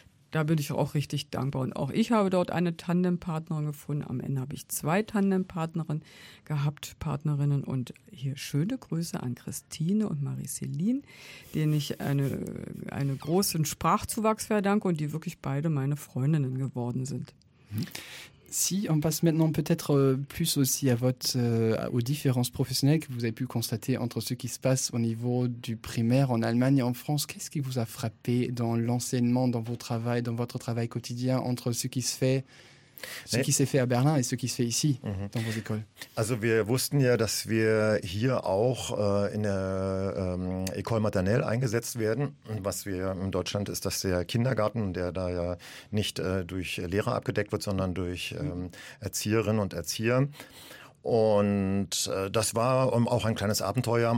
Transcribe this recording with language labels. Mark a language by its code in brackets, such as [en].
[de] Da bin ich auch richtig dankbar. Und auch ich habe dort eine Tandempartnerin gefunden. Am Ende habe ich 2 Tandempartnerinnen gehabt, Partnerinnen. Und hier schöne Grüße an Christine und Marie-Céline, denen ich einen großen Sprachzuwachs verdanke und die wirklich beide meine Freundinnen geworden sind. [fr] Si, on passe maintenant peut-être plus aussi à aux différences professionnelles que vous avez pu constater entre ce qui se passe au niveau du primaire en Allemagne et en France. Qu'est-ce qui vous a frappé dans l'enseignement, dans votre travail quotidien entre ce qui se fait qui s'est fait à Berlin et ce qui se fait ici dans vos écoles? [de] Also wir wussten ja, dass wir hier auch in der École maternelle eingesetzt werden. Was wir in Deutschland ist, dass der Kindergarten, der da ja nicht durch Lehrer abgedeckt wird, sondern durch Erzieherinnen und Erzieher. Und das war auch ein kleines Abenteuer.